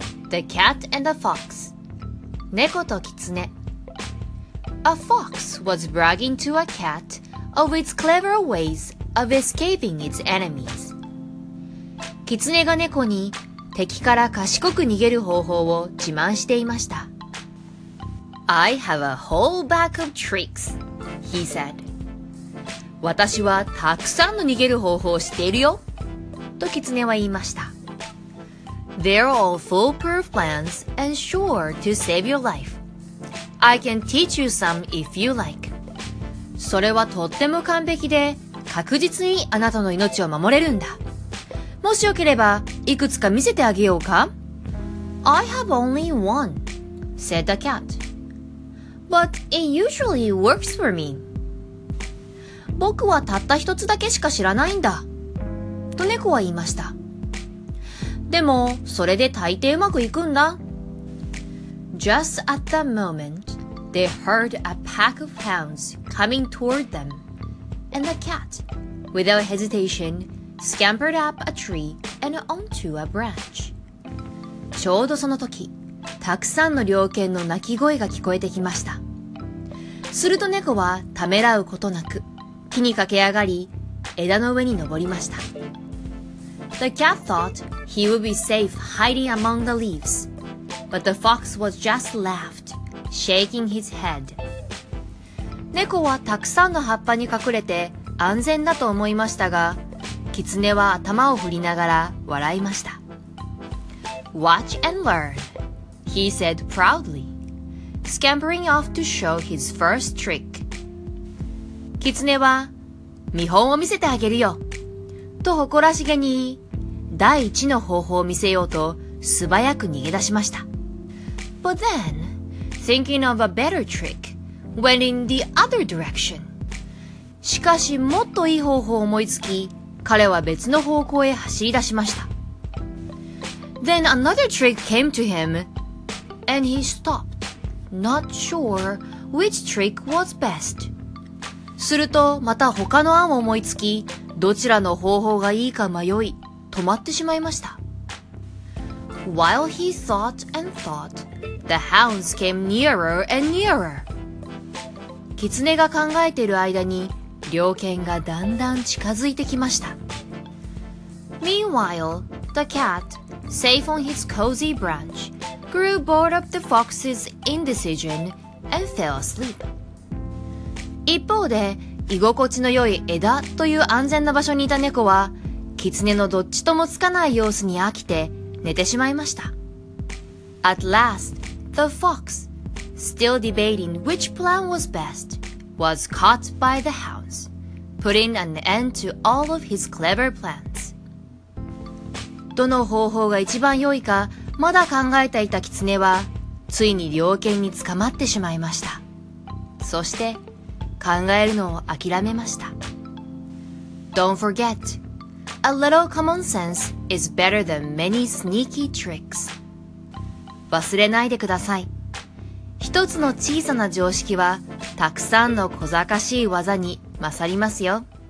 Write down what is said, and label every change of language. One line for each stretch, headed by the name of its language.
English: The Cat and the Fox
Japanese: 猫と狐
English: A fox was bragging to a cat of its clever ways of escaping its enemies.
Japanese: 狐が猫に敵から賢く逃げる方法を自慢していました。
English: I have a whole bag of tricks, he said.
Japanese: 私はたくさんの逃げる方法を知っているよ、と狐は言いました。
English: They're all foolproof plans and sure to save your life. I can teach you some if you like.
Japanese: それはとっても完璧で確実にあなたの命を守れるんだ。もしよければいくつか見せてあげようか?
English: I have only one, said the cat. But it usually works for me.
Japanese: 僕はたった一つだけしか知らないんだ。と猫は言いました。でもそれで大抵うまくいくんだ。
English: Just at that moment, they heard a pack of hounds coming toward them, and the cat, without hesitation, scampered up a tree and onto a branch.
Japanese: ちょうどその時、たくさんの猟犬の鳴き声が聞こえてきました。すると猫はためらうことなく、木に駆け上がり、枝の上に登りました。
English: The cat thought he would be safe hiding among the leaves, but the fox was just laughed, shaking his head.
Japanese: 猫はたくさんの葉っぱに隠れて安全だと思いましたが、狐は頭を振りながら笑いました。
English: Watch and learn, he said proudly, scampering off to show his first trick.
Japanese: 狐は見本を見せてあげるよ、と誇らしげに第一の方法を見せようと素早く逃げ出しました。
English: But then, thinking of a better trick, went in the other direction.
Japanese: しかしもっといい方法を思いつき、彼は別の方向へ走り出しました。
English: Then another trick came to him, and he stopped, not sure which trick was best.
Japanese: するとまた他の案を思いつき、どちらの方法がいいか迷い、止まってしまいました。
English: While he thought and thought, the hounds came nearer and nearer.
Japanese: 狐が考えている間に、猟犬がだんだん近づいてきました。
English: Meanwhile, the cat, safe on his cozy branch, grew bored of the fox's indecision and fell asleep.
Japanese: 一方で、居心地の良い枝という安全な場所にいた猫は、狐のどっちともつかない様子に飽きて寝てしまいました。
English: At last, the fox, still debating which plan was best, was caught by the hounds, putting an end to all of his clever plans.
Japanese: どの方法が一番良いかまだ考えていた狐は、ついに猟犬に捕まってしまいました。そして、考えるのを諦めました。
English: Don't forget, a little common sense is better than many sneaky tricks.
Japanese: 忘れないでください。一つの小さな常識は、たくさんの小賢しい技に勝りますよ。